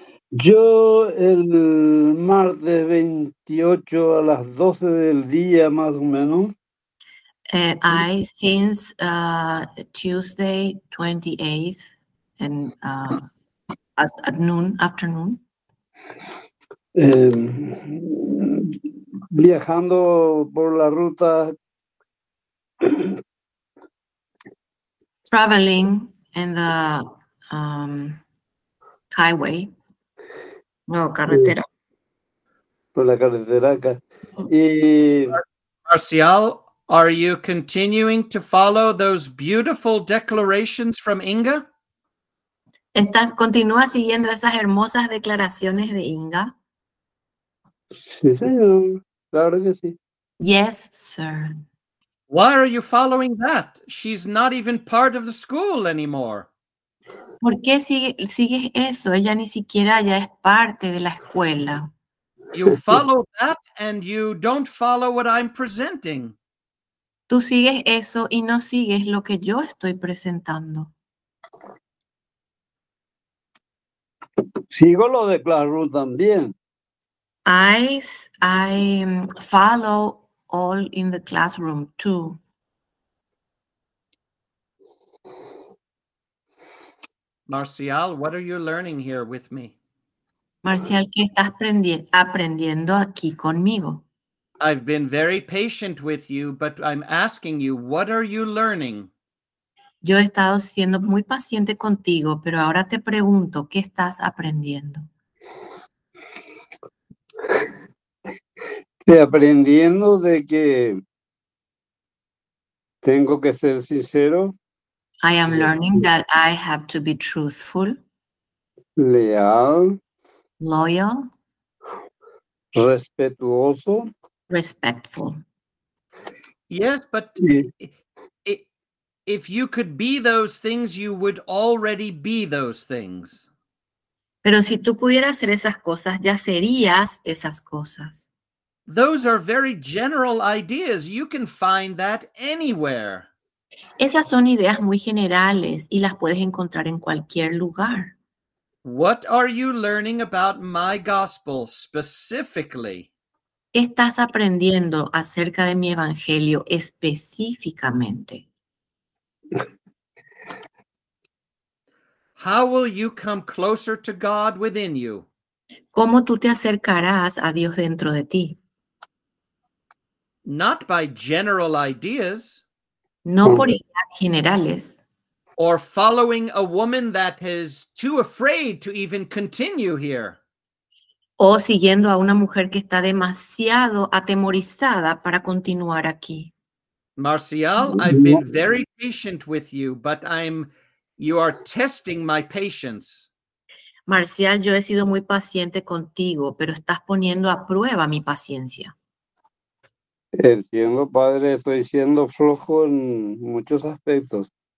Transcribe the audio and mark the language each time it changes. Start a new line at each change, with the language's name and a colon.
Spanish: Yo el martes 28 a las 12 del día, más o menos.
English: I since Tuesday 28th and at noon, afternoon.
Spanish: Viajando por la ruta.
English: Traveling in the highway.
Spanish: No, carretera. Por la carretera.
English: Marcial, are you continuing to follow those beautiful declarations from Inga?
Spanish: ¿Estás continúa siguiendo esas hermosas declaraciones de Inga? Sí, señor. Claro que sí.
English: Yes, sir. Why are you following that? She's not even part of the school anymore.
Spanish: ¿Por qué sigues eso? Ella ni siquiera ya es parte de la escuela.
English: You follow that and you don't follow what I'm presenting.
Spanish: Tú sigues eso y no sigues lo que yo estoy presentando. Sigo lo de Claro también.
English: I follow all in the classroom too. Marcial, what are you learning here with me?
Spanish: Marcial, ¿qué estás aprendiendo aquí conmigo?
English: I've been very patient with you, but I'm asking you, what are you learning?
Spanish: Yo he estado siendo muy paciente contigo, pero ahora te pregunto, ¿qué estás aprendiendo? Estoy aprendiendo de que tengo que ser sincero.
English: I am learning that I have to be truthful,
Spanish: leal,
English: loyal,
Spanish: respetuoso,
English: respectful. Yes, but if you could be those things, you would already be those things.
Spanish: Pero si tú pudieras ser esas cosas, ya serías esas cosas.
English: Those are very general ideas. You can find that anywhere.
Spanish: Esas son ideas muy generales y las puedes encontrar en cualquier lugar.
English: What are you learning about my gospel specifically?
Spanish: ¿Qué estás aprendiendo acerca de mi evangelio específicamente?
English: How will you come closer to God within you?
Spanish: ¿Cómo tú te acercarás a Dios dentro de ti?
English: Not by general ideas.
Spanish: No por ideas generales.
English: Or following a woman that is too afraid to even continue here.
Spanish: O siguiendo a una mujer que está demasiado atemorizada para continuar aquí.
English: Marcial, I've been very patient with you, but you are testing my patience.
Spanish: Marcial, yo he sido muy paciente contigo, pero estás poniendo a prueba mi paciencia. Entiendo, padre, estoy siendo flojo en muchos aspectos.